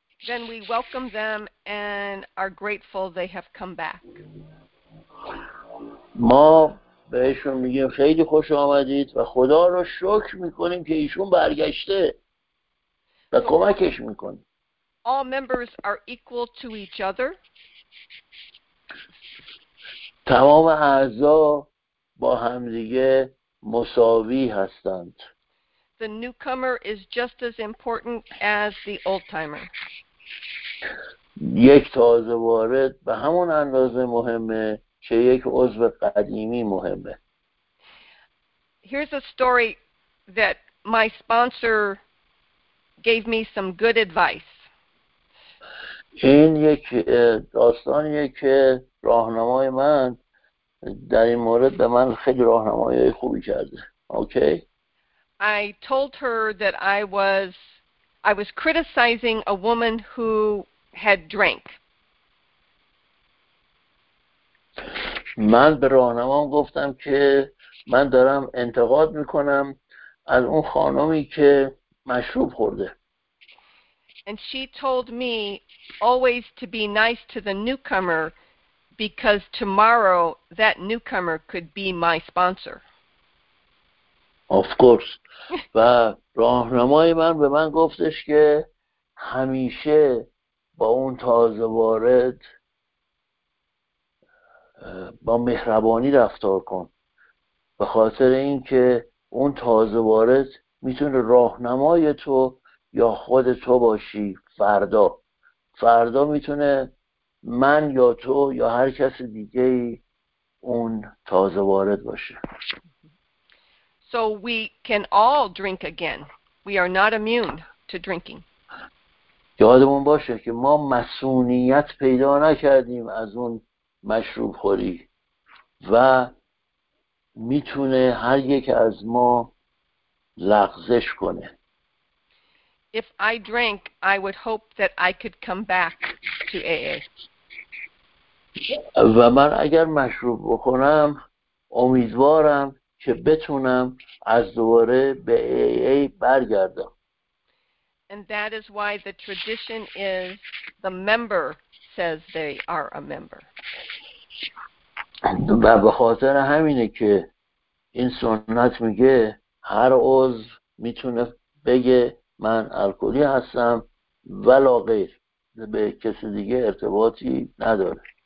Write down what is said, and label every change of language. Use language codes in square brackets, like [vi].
[en] Then we welcome them and are grateful they have come back. [fa] ما بهشون میگیم خیلی خوش آمدید و خدا رو شکر میکنیم که ایشون برگشته و کمکش میکنیم. [en] All members are equal to each other. [fa] تمام اعضا با همدیگه مساوی هستند. [en] The newcomer is just as important as the old timer. [fa] یک تازه وارد به همون اندازه مهمه که یک عضو قدیمی مهمه. [en] Here's a story that my sponsor gave me some good advice. [fa] این یک داستانیه که راهنمای من در این مورد به من خیلی راهنمایی خوبی کرده. [en] Okay. I told her that I was criticizing a woman who had drank. [fa] من به راهنمام گفتم که من دارم انتقاد میکنم از اون خانمی که مشروب خورده. [en] And she told me always to be nice to the newcomer because tomorrow that newcomer could be my sponsor. Of course. [fa] و راهنمای من به من گفتش که همیشه با اون تازه وارد با مهربانی رفتار کن، به خاطر اینکه اون تازه وارد میتونه راهنمای تو یا خود تو باشی فردا میتونه من یا تو یا هر کس دیگه اون تازه وارد باشه. [en] So we can all drink again. We are not immune to drinking. [fa] یادمون باشه که ما مسئولیت پیدا نکردیم از اون مشروب خوری و میتونه هر یک از ما لغزش کنه. [en] If I drank, I would hope that I could come back to AA. [fa] و من اگر مشروب بخورم امیدوارم که بتونم از دوباره به AA برگردم. [en] And that is why the tradition is the member says they are a member. [fa] و به خاطر همینه که این سنت میگه هر عضو میتونه بگه من الکلی هستم ولا غیر، به کسی دیگه ارتباطی نداره.